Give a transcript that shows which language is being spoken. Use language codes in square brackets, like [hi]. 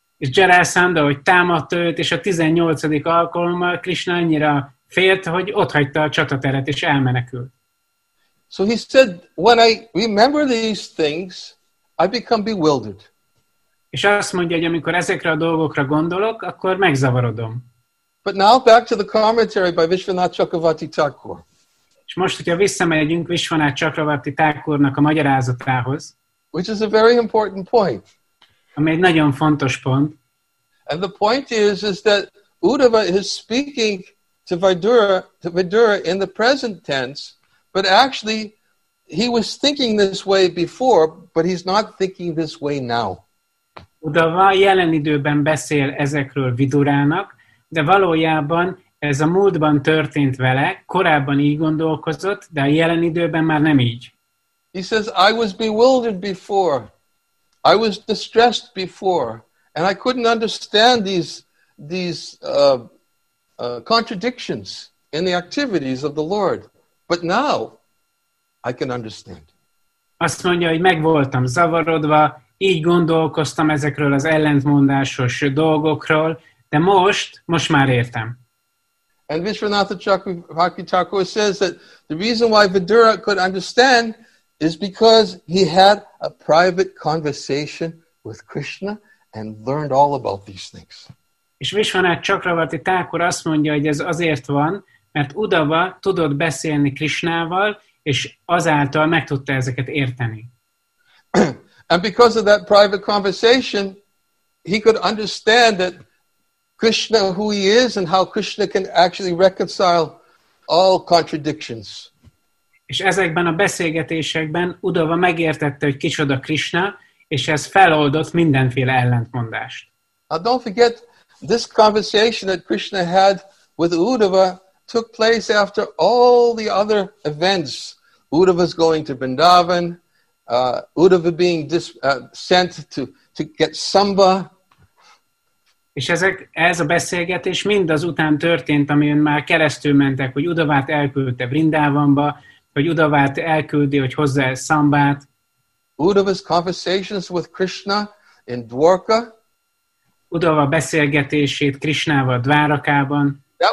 [hu] És Jarasandha, hogy támadt őt, és a 18. alkalommal Krishna annyira félt, hogy otthagyta a csatateret és elmenekült. [en] So he said, when I remember these things, I become bewildered. [hu] És azt mondja, hogy amikor ezekre a dolgokra gondolok, akkor megzavarodom. [en] But now back to the commentary by Vishvanatha Chakravarti Thakur. [hu] És most, hogyha visszamegyünk Vishvanatha Chakravarti Thakurnak a magyarázatához, [en] which is a very important point. [hu] Ami egy nagyon fontos pont. [en] And the point is that Uddhava is speaking to Vidura in the present tense, but actually he was thinking this way before, but he's not thinking this way now. [hu] Uddhava jelen időben beszél ezekről Vidurának, de valójában ez a múltban történt vele, korábban így gondolkozott, de a jelen időben már nem így. [en] He says, I was bewildered before, I was distressed before, and I couldn't understand these contradictions in the activities of the Lord. But now, I can understand. [hu] Azt mondja, hogy meg voltam zavarodva, így gondolkoztam ezekről az ellentmondásos dolgokról, de most már értem. [en] And Vishvanatha Chakravarti Thakur says that the reason why Vidura could understand is because he had a private conversation with Krishna and learned all about these things. [hu] És Vishvanatha Chakravarti Thakur azt mondja, hogy ez azért van, mert Uddhava tudott beszélni Krishnával, és azáltal meg tudta ezeket érteni. [en] And because of that private conversation, he could understand that Krishna, who he is, and how Krishna can actually reconcile all contradictions. [hu] És ezekben a beszélgetésekben Uddhava megértette, hogy kicsoda Krishna, és ez feloldott mindenféle ellentmondást. [en] Now don't forget, this conversation that Krishna had with Uddhava took place after all the other events. Uddhava's going to Vrindavan, Uddhava being sent to get Samba. [hu] És ez a beszélgetés mind azután történt, amin már keresztül mentek, hogy Uddhavát elküldte Vrindavanba, hogy Uddhavát elküldi, hogy hozza el Sambát. [en] Uddhava's conversations with Krishna in Dwarka. [hu] Uddhava beszélgetését Krishnával Dvárakában.